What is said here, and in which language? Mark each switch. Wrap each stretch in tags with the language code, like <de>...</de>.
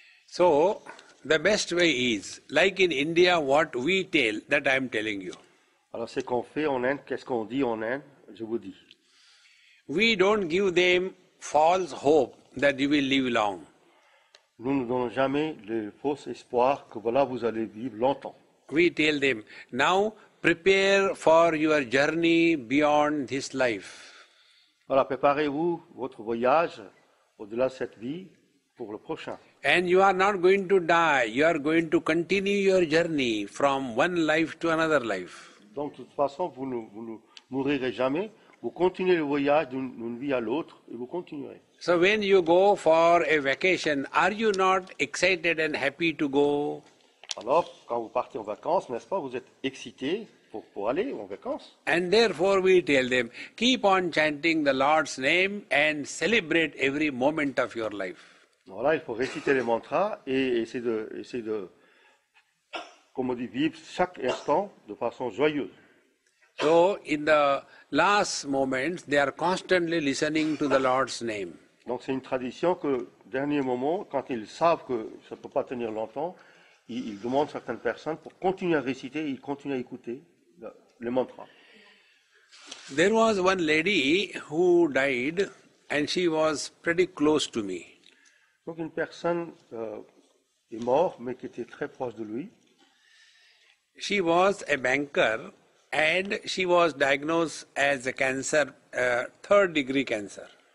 <en>So, the best way is, like in India, what we tell, that I'm telling you.</en> <fr>Alors ce qu'on fait en Inde, qu'est-ce qu'on dit en Inde, je vous dis.</fr> <en>We don't give them false hope that you will live long.</en> <fr>Nous ne donnons jamais le faux espoir que voilà, vous allez vivre longtemps.</fr> <en>We tell them, now prepare for your journey beyond this life.</en> <fr>Voilà, préparez-vous votre voyage au-delà de cette vie pour le prochain.</fr> <en>And you are not going to die, you are going to continue your journey from one life to another life.</en> <fr>Donc, de toute façon, vous ne mourrez jamais, vous continuez le voyage d'une vie à l'autre et vous continuerez.</fr> <en>So when you go for a vacation, are you not excited and happy to go?</en> <fr>Alors, quand vous partez en vacances, n'est-ce pas, vous êtes excité pour aller en vacances?</fr> <en>And therefore we tell them, keep on chanting the Lord's name and celebrate every moment of your life.</en> <fr>Voilà, il faut réciter les mantras et essayer de, comme on dit, vivre chaque instant de façon joyeuse.</fr> <en>So, in the last moments, they are constantly listening to the Lord's name.</en> <fr>Donc, c'est une tradition que, dernier moment, quand ils savent que ça ne peut pas tenir longtemps, ils demandent certaines personnes pour continuer à réciter, ils continuent à écouter les mantras.</fr> <en>There was one lady who died, and she was pretty close to me.</en> <fr>Donc, une personne est morte, mais qui était très proche de lui.</fr> <en>She was a banker. And she was diagnosed as a cancer, third degree cancer.</en>